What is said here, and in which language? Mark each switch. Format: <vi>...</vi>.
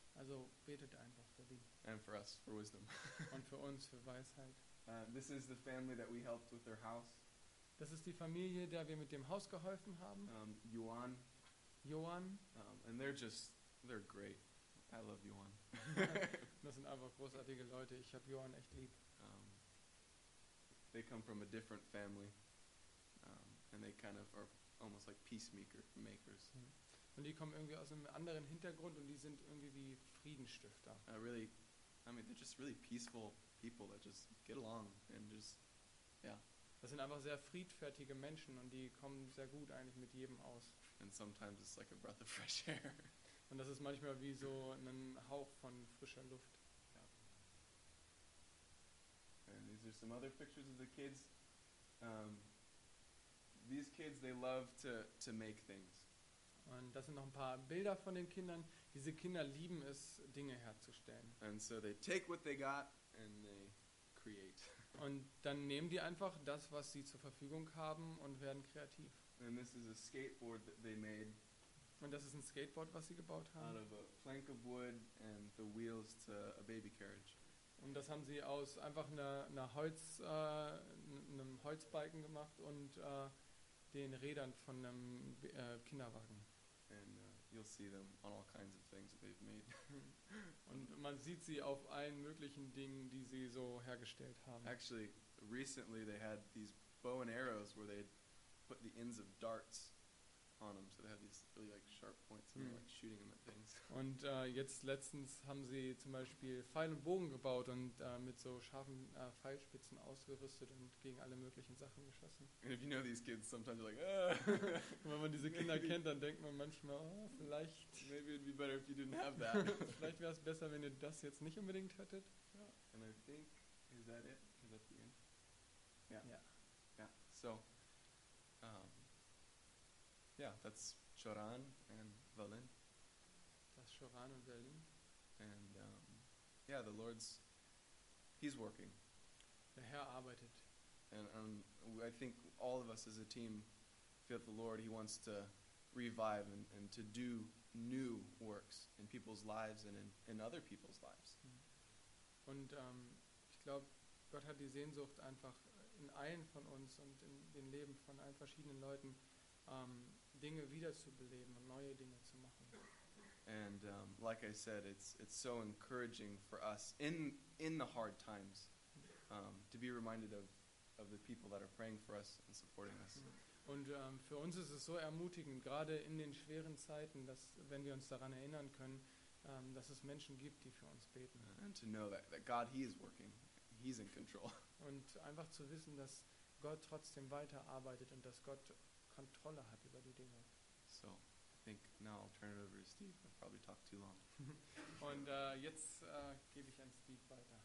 <de>Also betet einfach für die.</de> <en>And for us, for wisdom.</en> <de>Und für uns, für Weisheit.</de> <en>This is the family that we helped with their house.</en> <de>Das ist die Familie, der wir mit dem Haus geholfen haben.</de> <en>Johan. And they're great. I love Johan.</en> <de>Das sind einfach großartige Leute. Ich habe Johan echt lieb.</de> <en>They come from a different family. And they kind of are almost like peacemakers.</en> <de>Und die kommen irgendwie aus einem anderen Hintergrund, und die sind irgendwie wie Friedensstifter.</de> <en>Really, I mean, they're just really peaceful people that just get along and just Yeah.</en> <de>Das sind einfach sehr friedfertige Menschen und die kommen sehr gut eigentlich mit jedem aus.</de> <en>And sometimes it's like a breath of fresh air.</en> <de>Und das ist manchmal wie so ein Hauch von frischer Luft.</de> <en>Yeah. And these are some other pictures of the kids. These kids, they love to make things.</en> <de>Und das sind noch ein paar Bilder von den Kindern. Diese Kinder lieben es, Dinge herzustellen.</de> <en>And so they take what they got and they create.</en> <de>Und dann nehmen die einfach das, was sie zur Verfügung haben und werden kreativ.</de> <en>And this is a skateboard that they made.</en> <de>Und das ist ein Skateboard, was sie gebaut haben.</de> <en>Out of a plank of wood and the wheels to a baby carriage.</en> <de>Und das haben sie aus einfach einem Holzbalken gemacht und den Rädern von einem Kinderwagen.</de> <en>And you'll see them on all kinds of things that they've made.</en> <de>Und man sieht sie auf allen möglichen Dingen, die sie so hergestellt haben.</de> <en>Actually, recently they had these bow and arrows where they put the ends of darts on them, so they have these really like sharp points and they're like shooting them at things.</en> <de>Und jetzt letztens haben sie zum Beispiel Pfeil und Bogen gebaut und mit so scharfen Pfeilspitzen ausgerüstet und gegen alle möglichen Sachen geschossen.</de> <en>And if you know these kids, sometimes you're like,</en> <de>wenn man diese Kinder kennt, dann denkt man manchmal, oh, vielleicht.</de> <en>Maybe it'd be better if you didn't have that.</en> <de>Vielleicht wäre es besser, wenn ihr das jetzt nicht unbedingt hättet.</de> <en>Yeah. And I think, is that it? Is that the end? Yeah. Yeah. Yeah. So. Yeah, that's Choran and Valin. That's Choran and Valin. And yeah, the Lord's, he's working.</en> <de>Der Herr arbeitet.</de> <en>And I think all of us as a team feel the Lord, he wants to revive and to do new works in people's lives and in other people's lives.</en> <de>Und ich glaube, Gott hat die Sehnsucht einfach in allen von uns und in den Leben von allen verschiedenen Leuten, Dinge wiederzubeleben und neue Dinge zu machen.</de> <en>And like I said, it's so encouraging for us in the hard times to be reminded of the people that are praying for us and supporting us.</en> <de>Und für uns ist es so ermutigend, gerade in den schweren Zeiten, dass wenn wir uns daran erinnern können, dass es Menschen gibt, die für uns beten.</de> <en>And to know that God, he is working. He's in control.</en> <de>Und einfach zu wissen, dass Gott trotzdem weiterarbeitet und dass Gott Kontrolle hat über die Dinge.</de> <en>So, I think now I'll turn it over to Steve. I've probably talked too long.</en> <de>Und jetzt gebe ich an Steve weiter.</de>